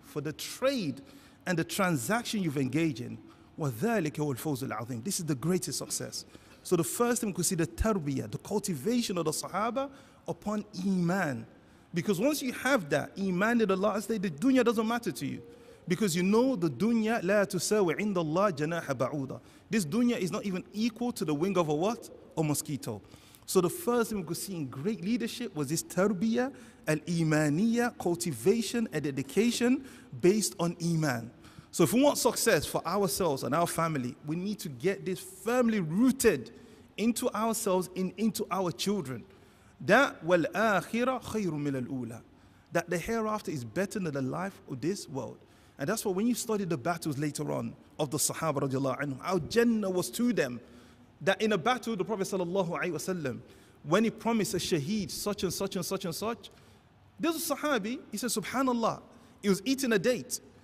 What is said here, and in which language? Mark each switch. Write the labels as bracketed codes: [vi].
[en] For the trade and the transaction you've engaged in. [ar] وَذَلِكَ هُوَ الْفَوْزُ الْعَظِيمُ. [en] This is the greatest success. So the first thing we could see, the tarbiyah, the cultivation of the Sahaba upon Iman. Because once you have that, Iman in the last day, the dunya doesn't matter to you. Because you know the dunya, [ar] لا تساوي عند الله جناح بعوضة. [en] This dunya is not even equal to the wing of a what? A mosquito. So the first thing we could see in great leadership was this tarbiyah, al-imaniyah, cultivation and dedication based on Iman. So if we want success for ourselves and our family, we need to get this firmly rooted into ourselves and into our children. [ar] That والآخرة خير من الأولى. [en] That the hereafter is better than the life of this world. And that's why when you study the battles later on of the Sahaba radiallahu anhu, how Jannah was to them, that in a battle, the Prophet sallallahu alayhi wa sallam, when he promised a shaheed such and such and such and such, there's a Sahabi, he said, Subhanallah, he was eating a date.